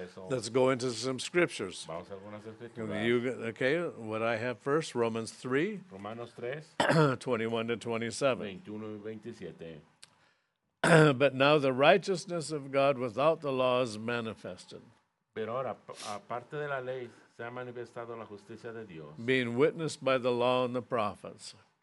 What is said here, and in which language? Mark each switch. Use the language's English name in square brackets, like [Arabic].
[English] Let's go into some scriptures. Okay, what I have first, Romans 3, 21-27. But now the righteousness of God without the law is manifested. [Spanish] Pero ahora, aparte de la ley, se ha manifestado la justicia de Dios. [English] Being witnessed by the law and the prophets.